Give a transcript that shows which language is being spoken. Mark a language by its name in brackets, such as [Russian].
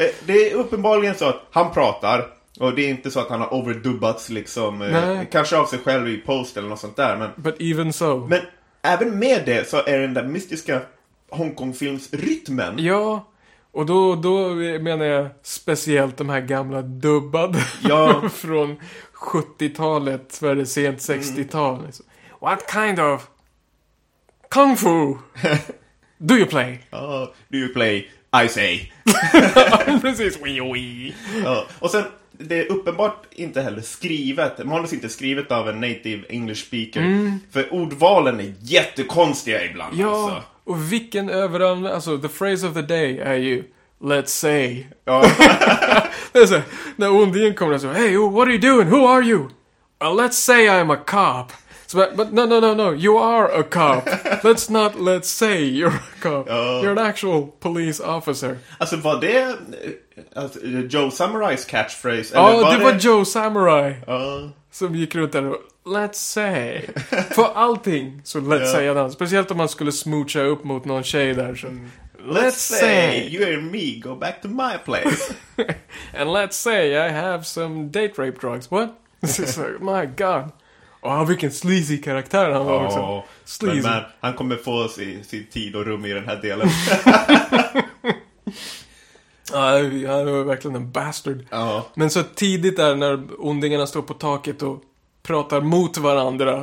[Swedish] Det är uppenbarligen så att han pratar. Och det är inte så att han har overdubbats liksom, kanske av sig själv i post eller något sånt där. Men, [English] but even so. [Swedish] Men även med det så är den där mystiska Hongkong-films-rytmen. Ja, och då menar jag speciellt de här gamla dubbade från 70-talet, var det sent 60-tal. Mm. [English] What kind of kung fu do you play? Oh, do you play, I say. [Swedish] Precis, wee wee. Och sen... Det är uppenbart inte heller skrivet. Manus inte skrivet av en [English] native English speaker. Mm. [Swedish] För ordvalen är jättekonstiga ibland. Ja, alltså. Och vilken överanvändning. Alltså, [English] the phrase of the day [Swedish] är ju [English] let's say. [Swedish] Ja. Det är så, när Undien kommer och säger, [English] hey, what are you doing? Who are you? Well, let's say I'm a cop. So, but no, you are a cop. Let's not let's say you're a cop. Oh. You're an actual police officer. [Swedish] Alltså, var det Joe Samurai's catchphrase? Ja, det var Joe Samurai som gick runt där och, [English] let's say. [Swedish] För allting så let's say han. Speciellt om man skulle smoocha upp mot någon tjej där. Så, [English] let's say you and me go back to my place. And let's say I have some date rape drugs. What? So, my god. [Swedish] Åh, vilken sleazy karaktär han var också. [English] Sleazy. [Swedish] Men han kommer få sin tid och rum i den här delen. Han var verkligen en bastard. Oh. Men så tidigt där när ondingarna står på taket och pratar mot varandra.